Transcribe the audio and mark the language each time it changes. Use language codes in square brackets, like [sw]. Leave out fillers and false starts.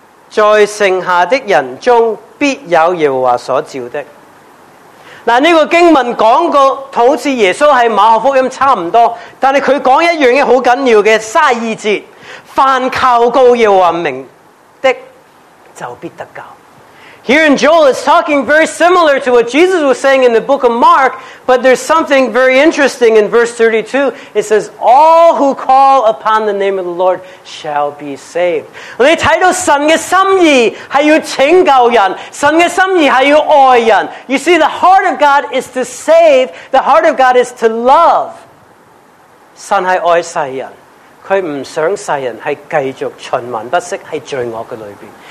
[zh] 在剩下的人中必有耶和华所召的。这个经文讲过好像耶稣在马可福音差不多，但是他讲一样很重要的32节，凡求告耶和华名的就必得救。 [en] Here in Joel is talking very similar to what Jesus was saying in the book of Mark, but there's something very interesting in verse 32. It says, all who call upon the name of the Lord shall be saved. [zh] 你看到神的心意是要拯救人，神的心意是要爱人。 [en] You see, the heart of God is to save, the heart of God is to love. [zh] 神是爱世人，他不想世人是继续循环不息在罪恶的里面。